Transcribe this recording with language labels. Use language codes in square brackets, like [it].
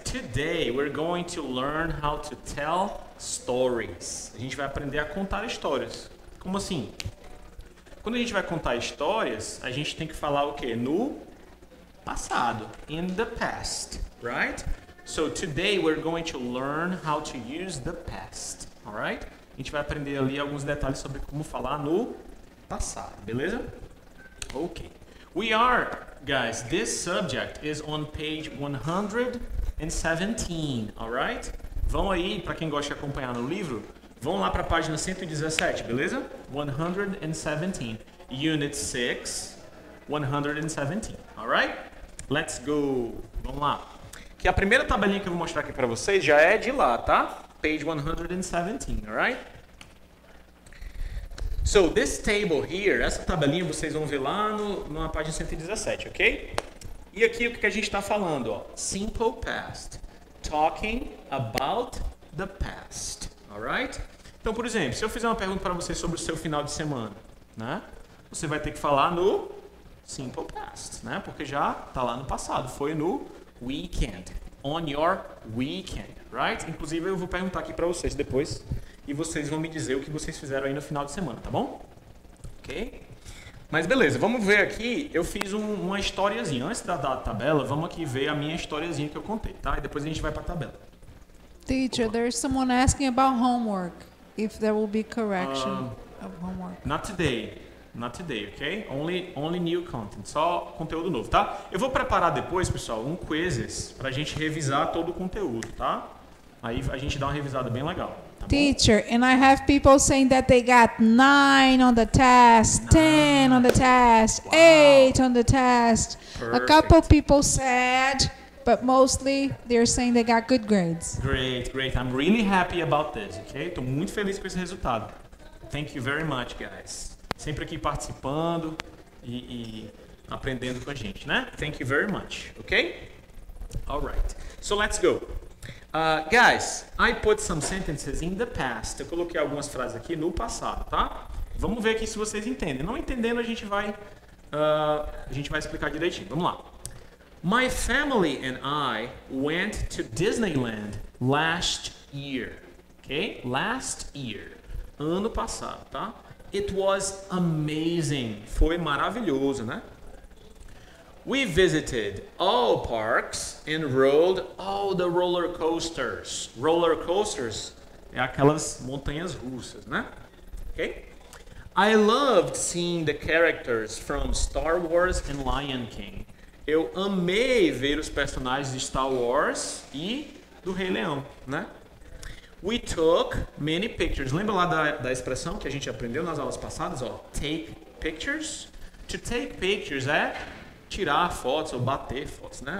[en] Today, we're going to learn how to tell stories. [pt] A gente vai aprender a contar histórias. Como assim? Quando a gente vai contar histórias, a gente tem que falar o quê? No passado. [en] In the past, right? So today we're going to learn how to use the past, alright? [pt] A gente vai aprender ali alguns detalhes sobre como falar no passado, beleza? Ok. [en] We are, guys, this subject is on page 117, alright? [pt] Vão aí, para quem gosta de acompanhar no livro, vão lá para a página 117, beleza? [en] 117. Unit 6. 117. Alright? Let's go. [pt] Vamos lá. Que a primeira tabelinha que eu vou mostrar aqui para vocês já é de lá, tá? [en] Page 117. Alright? So, this table here, [pt] essa tabelinha vocês vão ver lá no, na página 117, ok? E aqui o que a gente está falando, ó. [en] Simple past. Talking about the past. Alright? [pt] Então, por exemplo, se eu fizer uma pergunta para você sobre o seu final de semana, né? Você vai ter que falar no simple past, né? Porque já está lá no passado, foi no [en] weekend, on your weekend, right? [pt] Inclusive, eu vou perguntar aqui para vocês depois e vocês vão me dizer o que vocês fizeram aí no final de semana, tá bom? Ok? Mas beleza, vamos ver aqui, eu fiz uma historiazinha. Antes da tabela, vamos aqui ver a minha historiazinha que eu contei, tá? E depois a gente vai para a tabela. [en] Teacher, there's someone asking about homework, if there will be correction of homework. Not today, okay? Only new content, [pt] só conteúdo novo, tá? Eu vou preparar depois, pessoal, um quizzes pra gente revisar todo o conteúdo, tá? Aí a gente dá uma revisada bem legal, tá bom? [en] Teacher, and I have people saying that they got 9 on the test, 10 on the test, 8 on the test. Perfect. A couple people said... But mostly, they're saying they got good grades. Great. I'm really happy about this, okay? [pt] Estou muito feliz com esse resultado. [en] Thank you very much, guys. [pt] Sempre aqui participando e aprendendo com a gente, né? [en] Thank you very much, okay? All right. So, let's go. Guys, I put some sentences in the past. [pt] Eu coloquei algumas frases aqui no passado, tá? Vamos ver aqui se vocês entendem. Não entendendo, a gente vai explicar direitinho. Vamos lá. [en] My family and I went to Disneyland last year. Okay? Last year. [pt] Ano passado, tá? [en] It was amazing. [pt] Foi maravilhoso, né? [en] We visited all parks and rode all the roller coasters. [pt] Roller coasters é aquelas montanhas russas, né? Okay? [en] I loved seeing the characters from Star Wars and Lion King. [pt] Eu amei ver os personagens de Star Wars e do Rei Leão, né? [en] We took many pictures. [pt] Lembra lá da expressão que a gente aprendeu nas aulas passadas, ó? [en] Take pictures. To take pictures [pt] é tirar fotos ou bater fotos, né?